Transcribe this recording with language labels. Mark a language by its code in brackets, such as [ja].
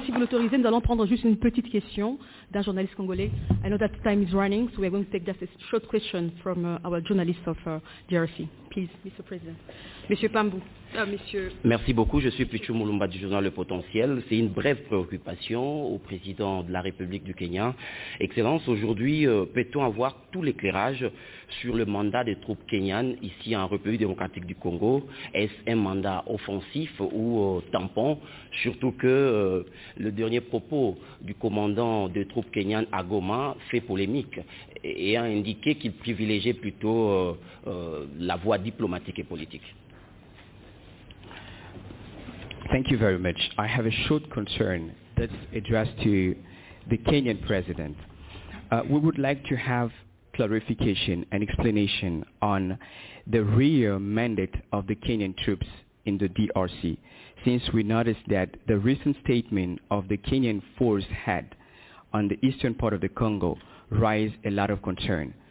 [fr] Si vous l'autorisez, nous allons prendre juste une petite question d'un journaliste congolais. [en] I know that time is running, so we are going to take just a short question from our journalist of DRC. Please, Mr. President. Monsieur Pambou. Monsieur. [fr] Merci beaucoup. Je suis Pichu Mulumba du journal Le Potentiel. C'est une brève préoccupation au président de la République du Kenya. Excellence, aujourd'hui, peut-on avoir tout l'éclairage sur le mandat des troupes kenyanes ici en République démocratique du Congo? Est-ce un mandat offensif ou tampon? Surtout que le dernier propos du commandant des troupes kenyanes à Goma fait polémique et a indiqué qu'il privilégiait plutôt la voie diplomatique et politique. [en] Thank you very much. I have a short concern that's addressed to the Kenyan president. We would like to have clarification and explanation on the real mandate of the Kenyan troops in the DRC, since we noticed that the recent statement of the Kenyan force head on the eastern part of the Congo raised a lot of concern.